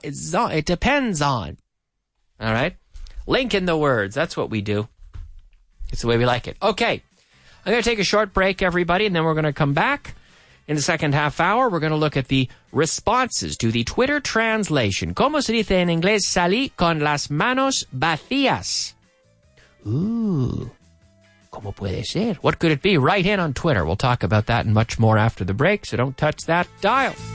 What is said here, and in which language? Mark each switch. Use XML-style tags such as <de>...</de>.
<en>It's zon. It depends on. All right? Link in the words. That's what we do. It's the way we like it. Okay. I'm going to take a short break, everybody, and then we're going to come back. In the second half hour, we're going to look at the responses to the Twitter translation.</en> <es>¿Cómo se dice en inglés salí con las manos vacías?</es> <en>Ooh,</en> <es>¿cómo puede ser?</es> <en>What could it be? Write in on Twitter. We'll talk about that and much more after the break, so don't touch that dial.</en>